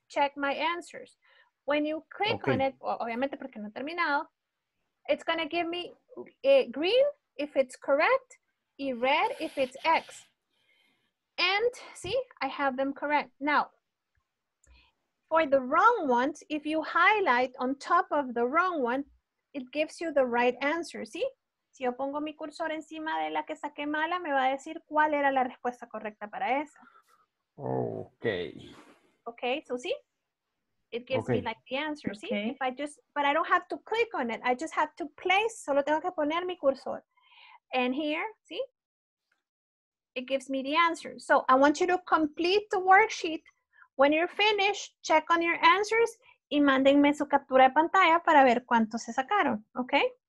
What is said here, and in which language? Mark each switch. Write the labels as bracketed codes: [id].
[en] Check my answers. When you click okay. on it, [es] obviamente porque no he terminado, [en] it's going to give me a green if it's correct, y red if it's X. And see, I have them correct. Now, for the wrong ones, if you highlight on top of the wrong one, it gives you the right answer, see? [es] Si yo pongo mi cursor encima de la que saqué mala, me va a decir cuál era la respuesta correcta para esa. [en] Okay. Okay, so see? It gives okay. me like the answer, see? Okay. If I just, but I don't have to click on it. I just have to place, [es] solo tengo que poner mi cursor. [en] And here, see? It gives me the answer. So I want you to complete the worksheet. When you're finished, check on your answers [es] y mándenme su captura de pantalla para ver cuántos se sacaron, [en] okay?